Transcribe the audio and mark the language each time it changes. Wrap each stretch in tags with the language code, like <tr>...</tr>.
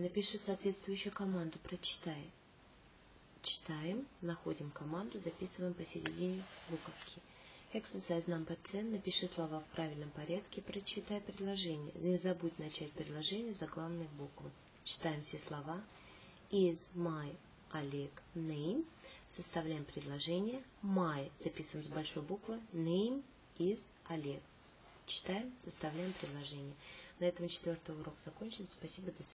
<ru>Напиши соответствующую команду, прочитай. Читаем, находим команду, записываем посередине буковки.</ru> <en>Exercise number 10.</en> <ru>Напиши слова в правильном порядке, прочитай предложение. Не забудь начать предложение за главной буквы. Читаем все слова.</ru> <en>Is my Олег name?</en> <ru>Составляем предложение. My записываем с большой буквы.</ru> <en>Name is Олег.</en> <ru>Читаем, составляем предложение. На этом четвертый урок закончен. Спасибо, до свидания.</ru>